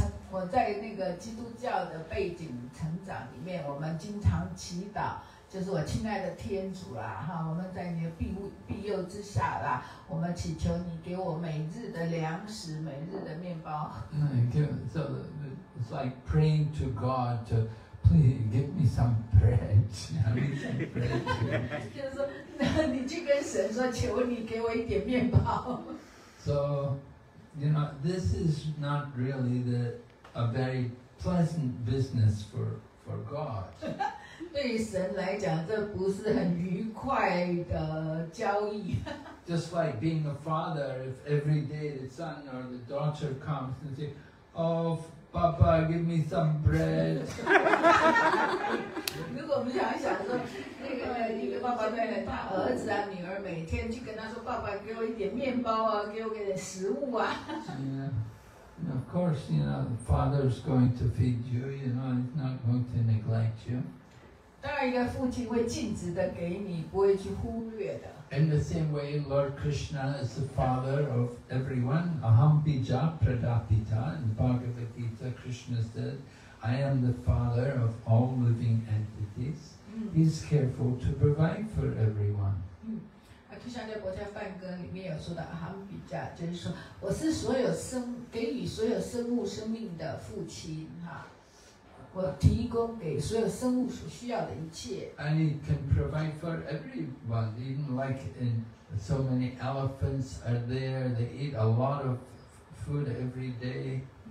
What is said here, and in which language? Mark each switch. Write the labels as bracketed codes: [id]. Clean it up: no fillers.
[zh] 我在那个基督教的背景成长里面，我们经常祈祷，就是我亲爱的天主啦，哈，我们在你的庇佑之下啦，我们祈求你给我每日的粮食，每日的面包。 [en] So it's like praying to God to please give me some bread. I need some bread. [zh] 就是说，你去跟神说，求你给我一点面包。 [en] So, you know, this is not really a very pleasant business for God. [zh] 对于神来讲，这不是很愉快的交易。 [en] Just like being a father, if every day the son or the daughter comes and say, "Oh, Papa, give me some bread." [zh] 如果我们想一想说，一个爸爸对他儿子啊、女儿每天去跟他说，爸爸给我一点面包啊，给我给点食物啊。 [en] Yeah. Of course, you know, the father's going to feed you. You know, he's not going to neglect you. [zh] 当然，一个父亲会尽职的给你，不会去忽略的。 [en] In the same way, Lord Krishna is the father of everyone. [sa] Aham bija pradapita. [en] In the Bhagavad Gita, Krishna said, "I am the father of all living entities." He's careful to provide for everyone. [zh] 像在《国家梵歌》里面有说的 [sa] Aham bija， [zh] 就是说我是所有生给予所有生物生命的父亲，哈。我提供给所有生物所需要的一切。 [en] And he can provide for everyone, even like in so many elephants are there, they eat a lot of food every day.